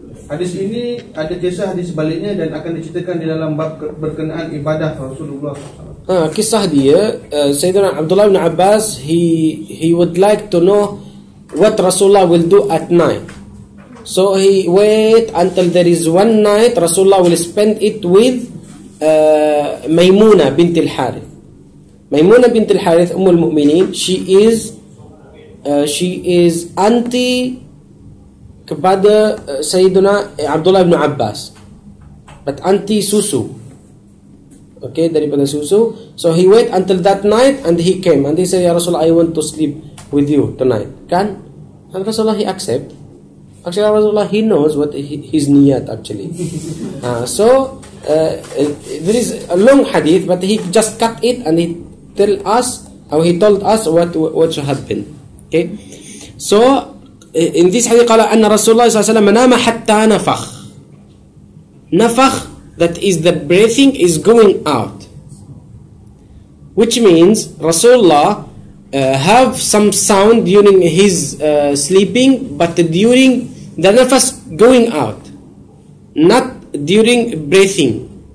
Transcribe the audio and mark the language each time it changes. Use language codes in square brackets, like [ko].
[ms] Hadis ini ada kisah hadis sebaliknya dan akan diceritakan di dalam bab berkenaan ibadah Rasulullah. Kisah dia [en] Sayyidina Abdullah bin Abbas, he would like to know what Rasulullah will do at night. So he wait until there is one night Rasulullah will spend it with Maymuna bint al-Harith. Maymuna bint al-Harith, Umm al-Mu'mineen, she is anti kepada Sayyidina Abdullah bin Abbas, but anti susu. [ms] Okay, daripada susu. [en] So he wait until that night and he came and he said, "Ya Rasulullah, I want to sleep with you tonight." Kan? And Rasulullah, he accept. Actually, Rasulullah, he knows what his niyat actually. There is a long hadith, but he just cut it and he tell us, or he told us what should happen. Okay? So in this hadith, [ar] قال أن رسول الله صلى الله عليه وسلم نام حتى نفخ. [en] نفخ, that is the breathing is going out, which means Rasulullah have some sound during his sleeping, but during the nafas going out, not during breathing.